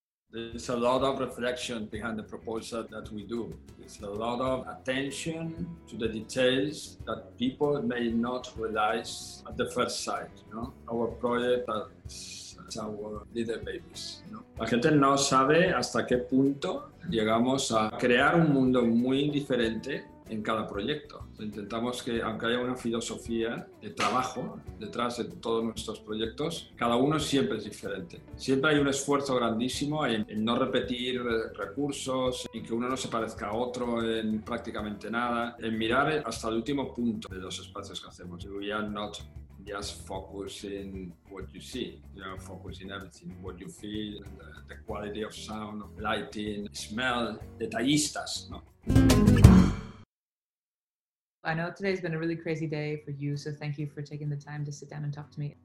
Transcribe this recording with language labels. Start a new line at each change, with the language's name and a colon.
English: There's a lot of reflection behind the proposal that we do. It's a lot of attention to the details that people may not realize at the first sight. You know, our project is our little babies. You know?
Spanish: La gente no sabe hasta qué punto llegamos a crear un mundo muy diferente en cada proyecto. Intentamos que, aunque haya una filosofía de trabajo detrás de todos nuestros proyectos, cada uno siempre es diferente. Siempre hay un esfuerzo grandísimo en no repetir recursos, en que uno no se parezca a otro en prácticamente nada, en mirar hasta el último punto de los espacios que hacemos.
English: We are not just focusing what you see. You are focusing everything, what you feel, the quality of sound, lighting, smell,
Spanish: detallistas, ¿no?
English: I know today's been a really crazy day for you, so thank you for taking the time to sit down and talk to me.